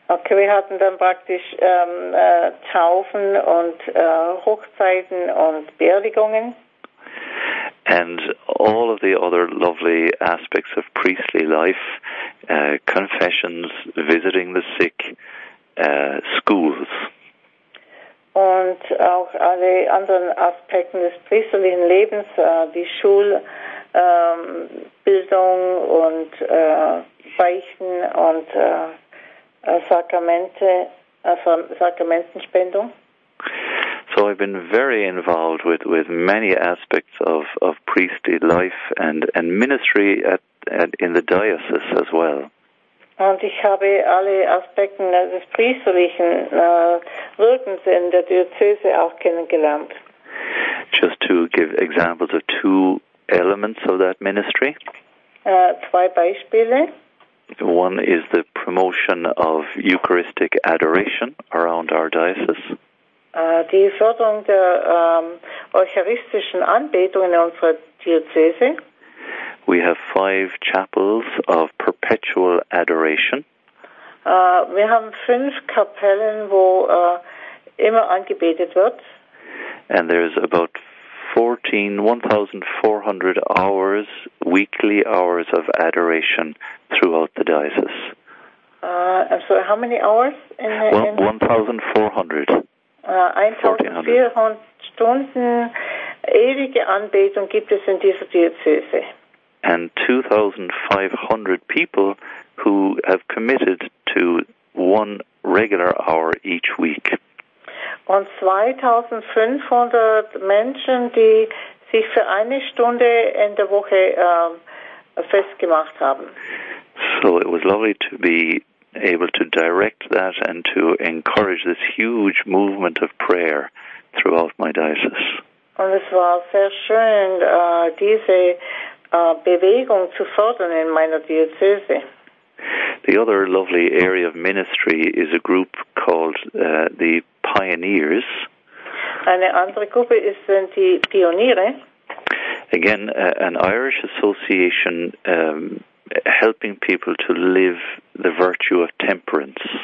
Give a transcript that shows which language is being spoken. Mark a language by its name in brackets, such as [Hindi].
[German] wir hatten dann praktisch Taufen und Hochzeiten und Beerdigungen. [English] And all of the other lovely aspects of priestly life, confessions, visiting the sick, schools. [German] Und auch alle anderen Aspekte des priesterlichen Lebens, die Schulbildung und Beichten und Sakramente, also Sakramentenspendung. [English] So I've been very involved with many aspects of priestly life and ministry at in the diocese as well. [German] Und ich habe alle Aspekte des priesterlichen Wirkens in der Diözese auch kennengelernt. [English] Just to give examples of two elements of that ministry. [German] Zwei Beispiele. [English] One is the promotion of Eucharistic adoration around our diocese. [German] Die Förderung der eucharistischen Anbetung in unserer Diözese. [English] We have five chapels of perpetual adoration. [German] Wir haben fünf Kapellen, wo immer angebetet wird. [English] And there's about 1,400 hours, weekly hours of adoration throughout the diocese. So how many hours? 1,400. [German] 1,400 Stunden ewige Anbetung gibt es in dieser Diözese. [English] And 2,500 people who have committed to one regular hour each week. [German] Und 2,500 Menschen, die sich für eine Stunde in der Woche festgemacht haben. [English] So it was lovely to be able to direct that and to encourage this huge movement of prayer throughout my diocese. [German] Und es war sehr schön, diese Bewegung zu fördern in meiner Diözese. [English] The other lovely area of ministry is a group called the Pioneers. [German] Eine andere Gruppe sind die Pioniere. [English] Again, an Irish association helping people to live the virtue of temperance.